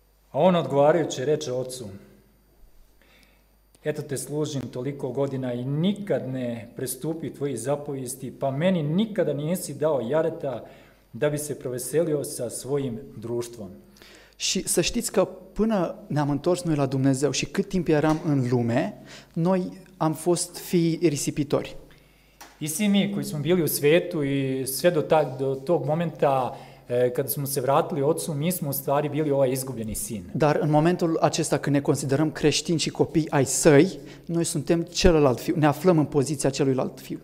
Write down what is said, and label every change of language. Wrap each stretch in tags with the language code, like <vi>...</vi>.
<sr>A on odgovarajući reče ocu, eto te služim toliko godina i nikad ne prestupi tvoji zapovesti, pa meni nikada nisi dao jareta da bi se proveselio sa svojim društvom.</sr> <ro>Și să știți că până ne-am întors noi la Dumnezeu și cât timp eram în lume, noi am fost fii risipitori.</ro> <sr>I svi mi koji smo bili u svetu i sve do tog momenta kada smo se vratili ocu, mi smo u stvari bili ovaj izgubljeni sin.</sr> <ro>Dar în momentul acesta când ne considerăm creștini și copii ai săi, noi suntem celălalt fiu, ne aflăm în poziția celuilalt fiu.</ro>